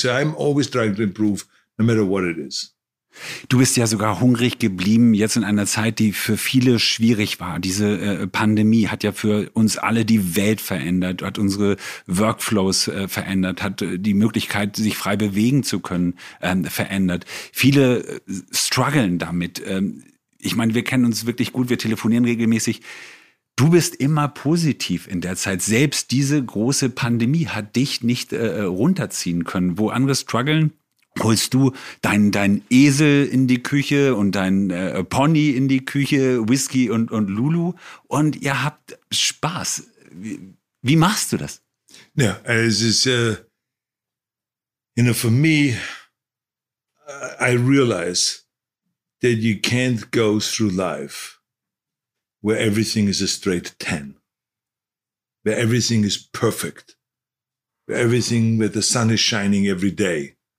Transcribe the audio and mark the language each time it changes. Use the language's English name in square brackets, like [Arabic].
[English] So I'm always trying to improve, no matter what it is. [German] Du bist ja sogar hungrig geblieben, jetzt in einer Zeit, die für viele schwierig war. Diese Pandemie hat ja für uns alle die Welt verändert, hat unsere Workflows verändert, hat die Möglichkeit, sich frei bewegen zu können, verändert. Viele strugglen damit. Ich meine, wir kennen uns wirklich gut, wir telefonieren regelmäßig. Du bist immer positiv in der Zeit. Selbst diese große Pandemie hat dich nicht runterziehen können. Wo andere strugglen, holst du dein Esel in die Küche und dein Pony in die Küche, Whisky und Lulu. Und ihr habt Spaß. Wie machst du das? Ja, es ist, [English] you know, for me, I realize that you can't go through life where everything is a straight 10, where everything is perfect, where everything, where the sun is shining every day.